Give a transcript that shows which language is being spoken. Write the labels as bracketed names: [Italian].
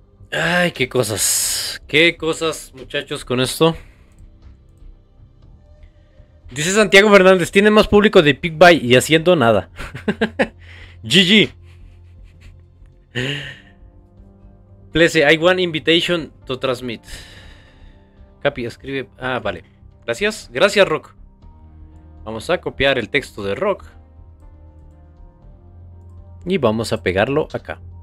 [Spanish] Ay, qué cosas, muchachos, con esto. Dice Santiago Fernández, tiene más público de PigBuy y haciendo nada. [English] GG. Plese, I want invitation to transmit. [Spanish] Capi, escribe. Ah, vale. Gracias, Rock. Vamos a copiar el texto de Rock. Y vamos a pegarlo acá.